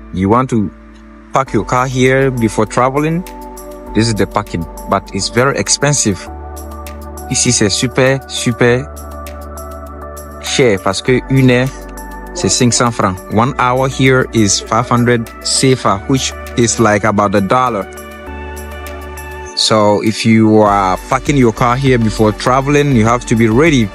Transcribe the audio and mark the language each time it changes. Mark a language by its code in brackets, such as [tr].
[en] You want to park your car here before traveling? This is the parking. But it's very expensive. [fr] Ici, c'est super, super cher parce que une heure, c'est 500 francs. [en] 1 hour here is 500 CFA, which is like about a dollar. So if you are parking your car here before traveling, you have to be ready.